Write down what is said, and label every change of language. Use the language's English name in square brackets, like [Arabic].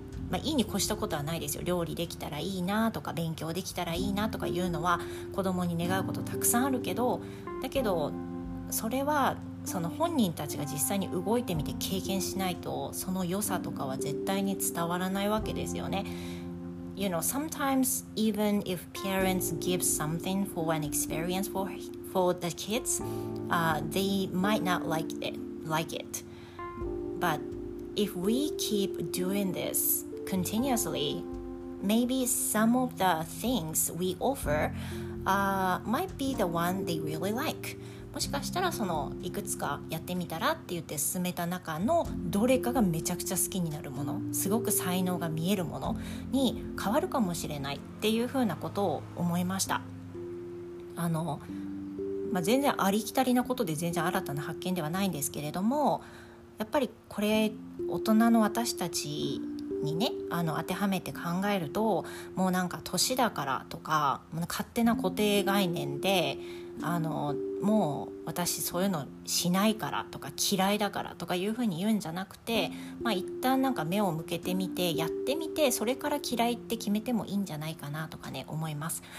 [Japanese] まあ、いいに越したことはないですよ。料理できたらいいなとか勉強できたらいいなとかいうのは子供に願うことたくさんあるけど、だけどそれはその本人たちが実際に動いてみて経験しないとその良さとかは絶対に伝わらないわけですよね。 [English] You know, sometimes even if parents give something for an experience for the kids, they might not like it. But if we keep doing this continuously, maybe some of the things we offer might be the one they really like. [Japanese] もしかしたらそのいくつかやってみたらって言って進めた中のどれかがめちゃくちゃ好きになるもの、すごく才能が見えるものに変わるかもしれないっていうふうなことを思いました。まあ、全然ありきたりなことで全然新たな発見ではないんですけれども、やっぱりこれ大人の私たちにね、当てはめて考えると、もうなんか年だからとか勝手な固定概念でもう私そういうのしないからとか嫌いだからとかいうふうに言うんじゃなくて、まあ一旦なんか目を向けてみてやってみて、それから嫌いって決めてもいいんじゃないかなとかね思います。